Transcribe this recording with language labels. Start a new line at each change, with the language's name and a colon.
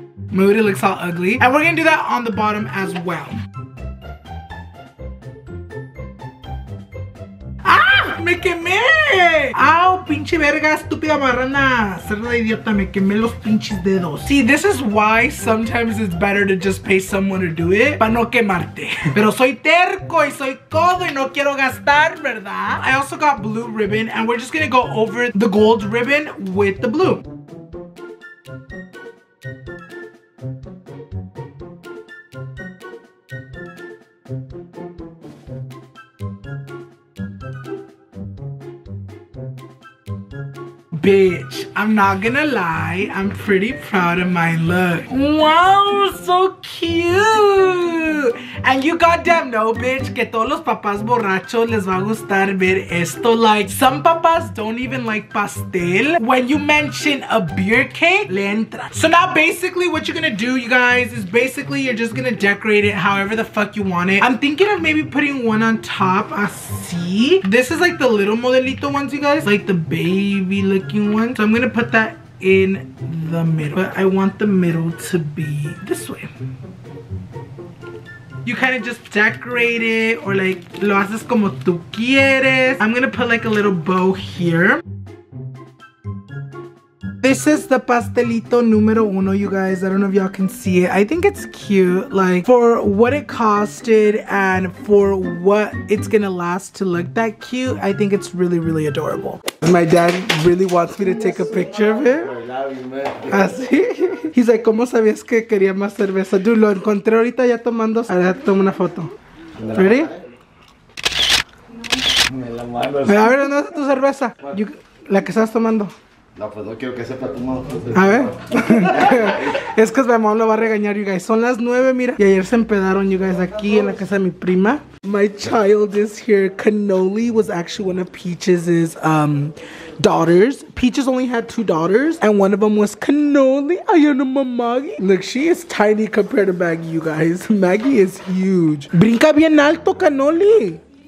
English: Mood, it looks all ugly. And we're gonna do that on the bottom as well.
Spanish: Ah! Me quemé! Ow, pinche verga, estúpida marrana. Cerda idiota, me quemé los pinches dedos.
English: See, this is why sometimes it's better to just pay someone to do it.
Spanish: Pa' no quemarte. Pero soy terco y soy codo y no quiero gastar, ¿verdad?
English: I also got blue ribbon and we're just gonna go over the gold ribbon with the blue. Bitch, I'm not gonna lie, I'm pretty proud of my look. Wow, so cute! And you goddamn know, bitch,
Spanish: que todos los papás borrachos les va a gustar ver esto.
English: Like, some papás don't even like pastel. When you mention a beer cake,
Spanish: le entra.
English: So now basically what you're gonna do, you guys, is basically you're just gonna decorate it however the fuck you want it. I'm thinking of maybe putting one on top, así. This is like the little modelito ones, you guys. Like the baby looking one. So I'm gonna put that in the middle. But I want the middle to be this way. You kind of just decorate it or like
Spanish: lo haces como tú quieres.
English: I'm gonna put like a little bow here. This is the
Spanish: pastelito numero uno,
English: you guys. I don't know if y'all can see it. I think it's cute. Like, for what it costed and for what it's gonna last to look that cute, I think it's really, really adorable. My dad really wants me to take a picture of it.
Spanish: Así.
English: He's like,
Spanish: ¿cómo sabías que quería más cerveza?
English: Dude,
Spanish: lo encontré ahorita ya tomando. Ahora tomo una foto.
English: Ready?
Spanish: Me la mando. A ver, ¿dónde está tu cerveza? La que estás tomando. No, pues no quiero que sepa tu mamá. A ver. Es que mi mamá lo va a regañar,
English: you guys.
Spanish: Son las 9, mira. Y ayer se empedaron,
English: you guys,
Spanish: aquí en la casa de mi prima.
English: My child is here. Cannoli was actually one of Peaches's daughters. Peaches only had 2 daughters, and one of them was Cannoli.
Spanish: Ay, no,
English: Maggie. Look, she is tiny compared to Maggie, you guys. Maggie is huge.
Spanish: Brinca bien alto,
English: Cannoli.